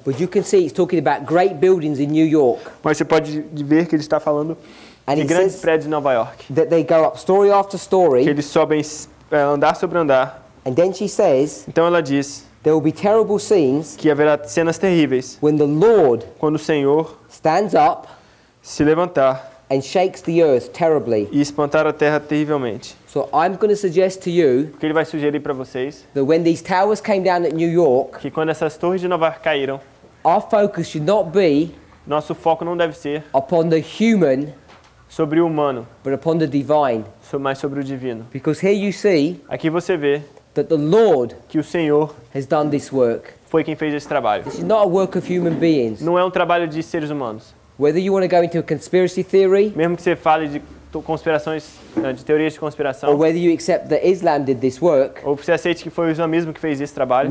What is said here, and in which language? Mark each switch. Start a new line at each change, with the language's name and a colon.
English: But you can see it's talking about great buildings in New York.
Portuguese: Mas você pode ver que ele está falando
English: and
Portuguese: de grandes prédios em Nova York.
English: That they go up story after story.
Portuguese: Que eles sobem andar sobre andar.
English: And then she says.
Portuguese: Então ela diz.
English: There will be terrible scenes.
Portuguese: Que haverá cenas terríveis.
English: When the Lord.
Portuguese: Quando o Senhor.
English: Stands up.
Portuguese: Se levantar.
English: And shakes the earth terribly.
Portuguese: E espantar a terra terrivelmente.
English: So I'm going to suggest to you.
Portuguese: O que ele vai sugerir para vocês?
English: That when these towers came down at New York.
Portuguese: Que quando essas torres de Nova York caíram.
English: Our focus should not be.
Portuguese: Nosso foco não deve ser.
English: Upon the human.
Portuguese: Sobre o humano.
English: But upon the divine.
Portuguese: Mais sobre o divino.
English: Because here you see.
Portuguese: Aqui você vê.
English: That the Lord.
Portuguese: Que o Senhor.
English: Has done this work.
Portuguese: Foi quem fez esse trabalho.
English: This is not a work of human beings.
Portuguese: Não é trabalho de seres humanos.
English: Whether you want to go into a conspiracy theory,
Portuguese: mesmo que você fale de conspirações, de teorias de conspiração,
English: or whether you accept that Islam did this work,
Portuguese: ou você aceite que foi o islamismo que fez esse trabalho,